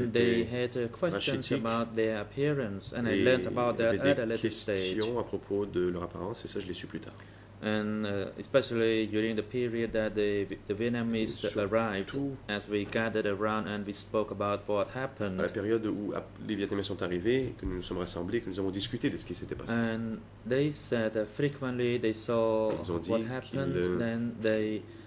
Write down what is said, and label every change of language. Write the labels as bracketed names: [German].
[English] and they had questions about their appearance, and I learned about that at a later stage. [French] Questions à propos de leur apparence, et ça je l'ai su plus tard. [English] And especially during the period that the Vietnamese arrived, as we gathered around and we spoke about what happened. [French] À la période où les Vietnamiens sont arrivés, que nous nous sommes rassemblés, que nous avons discuté de ce qui s'était passé. [English] And they said frequently they saw what happened, then they.